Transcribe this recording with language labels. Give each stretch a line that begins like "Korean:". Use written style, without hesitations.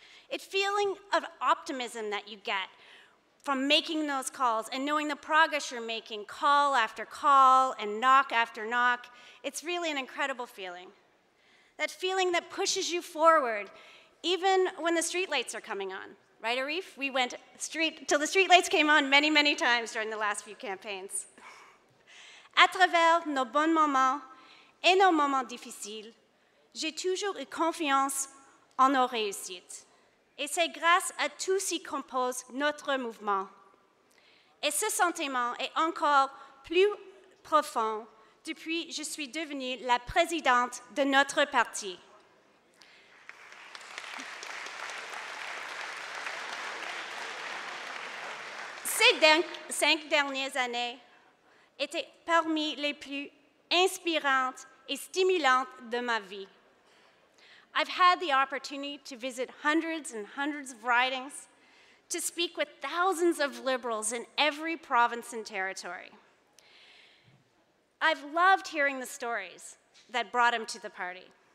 English: It feeling of optimism that you get from making those calls and knowing the progress you're making, call after call and knock after knock, it's really an incredible feeling. That feeling that pushes you forward even when the streetlights are coming on. Right, Arif? We went street till the streetlights came on many, many times during the last few campaigns.
French: À travers nos bons moments et nos moments difficiles, j'ai toujours eu confiance en nos réussites. Et c'est grâce à tout ce qui compose notre mouvement. Et ce sentiment est encore plus profond depuis que je suis devenue la présidente de notre parti. Ces 5 dernières années étaient parmi les plus inspirantes et stimulantes de ma vie.
English: I've had the opportunity to visit hundreds and hundreds of ridings, to speak with thousands of Liberals in every province and territory. I've loved hearing the stories that brought them to the party.